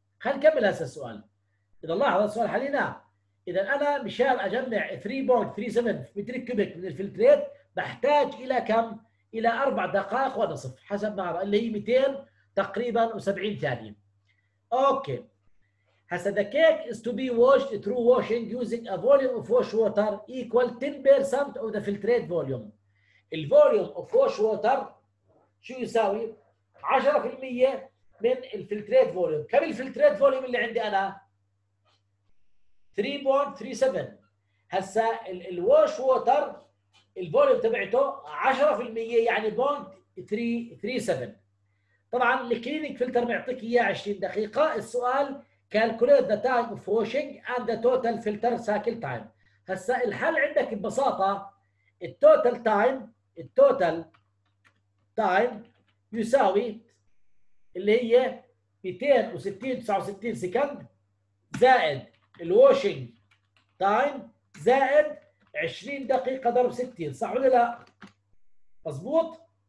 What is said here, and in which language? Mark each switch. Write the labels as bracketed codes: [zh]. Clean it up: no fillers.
[ar] خلينا نكمل هسه السؤال. اذا لاحظ السؤال حليناه. اذا انا مشان اجمع 3.37 متر كوبيك من الفلتريت بحتاج الى كم؟ الى 4 دقائق ونصف حسب ما ارى اللي هي 200 تقريبا و70 ثانيه. اوكي هسه [en] the cake is to be washed through washing using a volume of wash water equal 10% of the filtrate volume. [ar] الفوليوم اوف واش ووتر شو يساوي؟ 10% من الفلتريت فوليوم. كم الفلتريت فوليوم اللي عندي انا؟ 3.37. هسه الواش ووتر الفوليوم تبعته 10% يعني 0.337. طبعا الكلينيك فلتر معطيك اياه 20 دقيقه. السؤال [en] calculate the time of washing and the total filter cycle time. [ar] هسه الحل عندك ببساطه التوتال تايم التوتال تايم يساوي اللي هي 269.69 سكند زائد الواشنج تايم زائد 20 دقيقه ضرب 60 صح ولا لا؟ مظبوط.